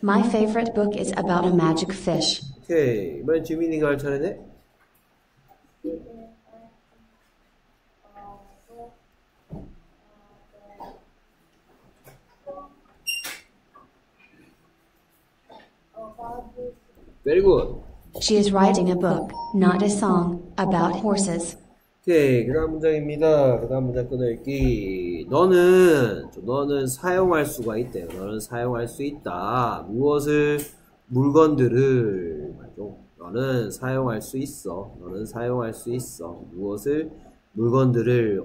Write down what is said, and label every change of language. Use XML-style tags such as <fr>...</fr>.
<en>My favorite book is about a magic fish.</en> <ko>오케이, 이번엔 지민이가 할 차례네.</ko> <en>베리 굿. She is writing a book, not a song, about horses.</en> <ko>오케이, 그 다음 문장입니다. 그 다음 문장 끊어읽기. 너는 사용할 수가 있대요. 너는 사용할 수 있다. 무엇을? 물건들을. 맞죠? 너는 사용할 수 있어. 너는 사용할 수 있어. 무엇을? 물건들을.</ko>